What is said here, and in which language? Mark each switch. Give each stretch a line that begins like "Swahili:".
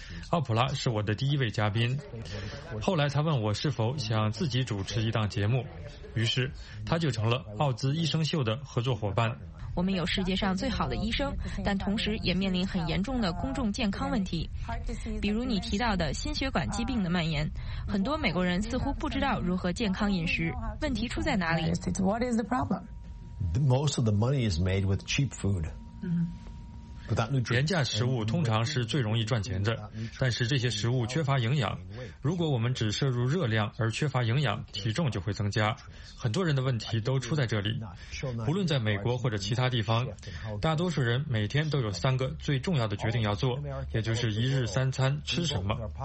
Chinese: 奥普拉是我的第一位嘉宾。后来他问我是否想自己主持一档节目，于是他就成了奥兹医生秀的合作伙伴。我们有世界上最好的医生，但同时也面临很严重的公众健康问题，比如你提到的心血管疾病的蔓延。很多美国人似乎不知道如何健康饮食，问题出在哪里？
English: Most of the money is made with cheap food.
Chinese: 廉价食物通常是最容易赚钱的，但是这些食物缺乏营养。如果我们只摄入热量而缺乏营养，体重就会增加。很多人的问题都出在这里。不论在美国或者其他地方，大多数人每天都有三个最重要的决定要做，也就是一日三餐吃什么。